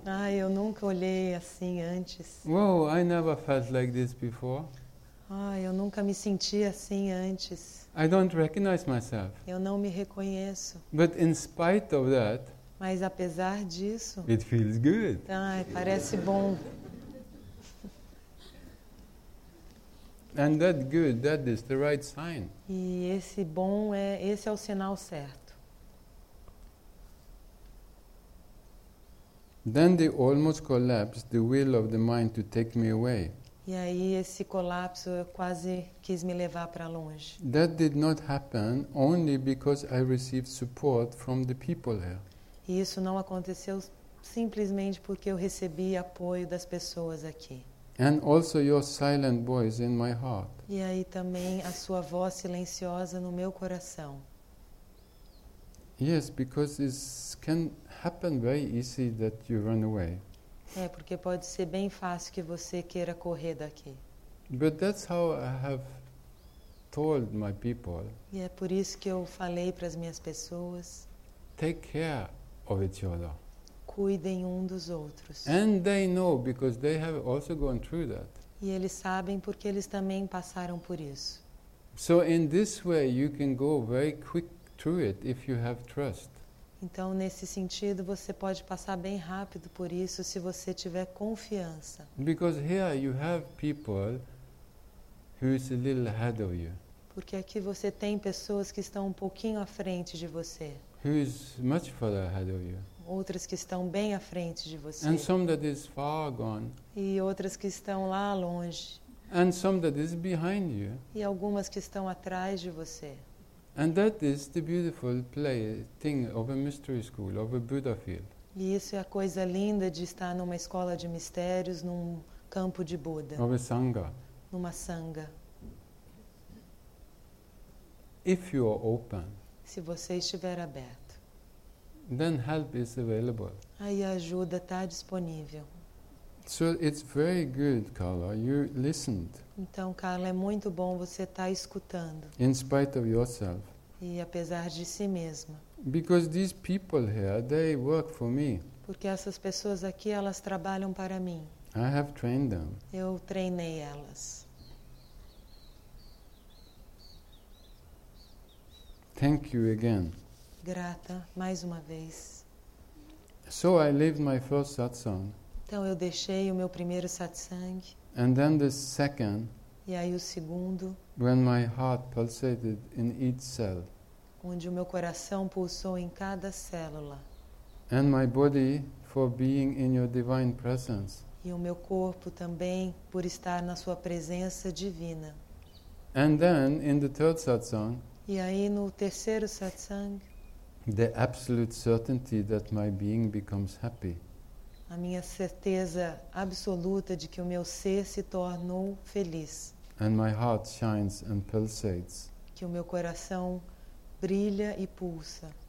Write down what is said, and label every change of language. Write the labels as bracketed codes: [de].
[pt] Ai, eu nunca olhei assim antes. [en] Whoa, I never felt like this before. [pt] Ai, eu nunca me senti assim antes. [en] I don't recognize myself. [pt] Eu não me reconheço. [en] But in spite of that, [pt] mas apesar disso, [en] it feels good. [pt] Ai, parece bom. [en] And that good, that is the right sign. [pt] E esse bom é, esse é o sinal certo. [en] Then the almost collapse, the will of the mind to take me away. [pt] E aí esse colapso quase quis me levar para longe. [en] That did not happen only because I received support from the people here. [pt] E isso não aconteceu simplesmente porque eu recebi apoio das pessoas aqui. [en] And also your silent voice in my heart. [pt] E aí também a sua voz silenciosa no meu coração. [en] Yes, because it can happen very easy that you run away. [pt] É, porque pode ser bem fácil que você queira correr daqui. [en] But that's how I have told my people. [pt] E é por isso que eu falei para as minhas pessoas. [en] Take care of each other. [pt] Cuidem um dos outros. [en] And they know because they have also gone through that. [pt] E eles sabem porque eles também passaram por isso. [en] So in this way you can go very quick through it if you have trust. [pt] Então, nesse sentido, você pode passar bem rápido por isso se você tiver confiança. [en] Because here you have people who is a little ahead of you. [pt] Porque aqui você tem pessoas que estão um pouquinho à frente de você. [en] Who is much further ahead of you. [pt] Outras que estão bem à frente de você. [en] And some that is far gone. [pt] E outras que estão lá longe. [en] And some that is behind you. [pt] E algumas que estão atrás de você. [en] And that is the beautiful play thing of a mystery school, of a Buddha field. [pt] E isso é a coisa linda de estar numa escola de mistérios, num campo de Buda. [en] Of a sangha. [pt] Numa sangha. [en] If you are open. [pt] Se você estiver aberto. [en] Then help is available. [pt] Aí a ajuda está disponível. [en] So it's very good, Carla. You listened. [pt] Então, Carla, é muito bom você estar escutando. [en] In spite of yourself. [pt] E apesar de si mesma. [en] Because these people here, they work for me. [pt] Porque essas pessoas aqui, elas trabalham para mim. [en] I have trained them. [pt] Eu treinei elas. [en] Thank you again. [pt] Grata, mais uma vez. [en] So I lived my first satsang. [pt] Então eu deixei o meu primeiro satsang. [en] And then the second. [pt] E aí o segundo. [en] When my heart pulsated in each cell. [pt] Onde o meu coração pulsou em cada célula. [en] And my body for being in your divine presence. [pt] E o meu corpo também por estar na sua presença divina. [en] And then in the third satsang. [pt] E aí no terceiro satsang. [en] The absolute certainty that my being becomes happy. [pt] A minha certeza absoluta de que o meu ser se tornou feliz. [en] And my heart shines and pulsates. [pt] Que o meu coração brilha e pulsa.